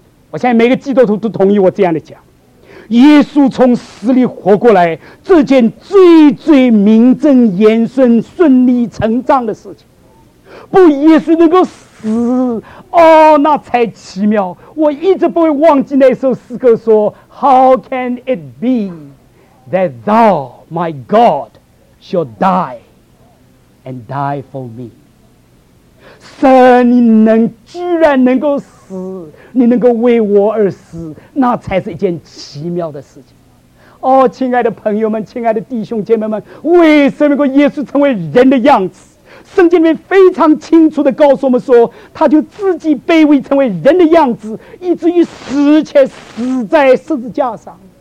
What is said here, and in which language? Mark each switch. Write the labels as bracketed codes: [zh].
[zh] 我相信每个基督徒都同意我这样的讲，耶稣从死里活过来，这件最最名正言顺、顺理成章的事情。不，耶稣能够死，哦，那才奇妙。我一直不会忘记那首诗歌说 [en] How can it be that thou, my God, shall die and die for me? [zh] 神，你能居然能够死，你能够为我而死，那才是一件奇妙的事情。哦，亲爱的朋友们，亲爱的弟兄姐妹们，为什么耶稣成为人的样子？圣经里面非常清楚地告诉我们说，他就自己卑微成为人的样子，以至于死，且死在十字架上。